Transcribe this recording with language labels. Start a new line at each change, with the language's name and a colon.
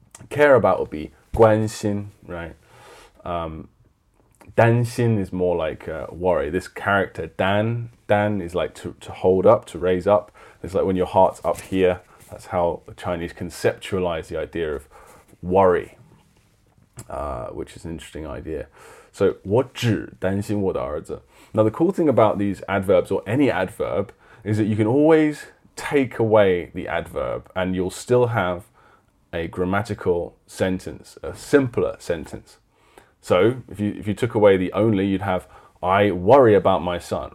English: Care about would be 关心, right? 担心 is more like worry. This character, Dan is like to hold up, to raise up. It's like when your heart's up here. That's how the Chinese conceptualize the idea of worry, which is an interesting idea.
Chinese: So, 我只担心我的儿子.
English: Now, the cool thing about these adverbs or any adverb is that you can always take away the adverb and you'll still have a grammatical sentence, a simpler sentence. So, if you took away the only, you'd have, I worry about my son.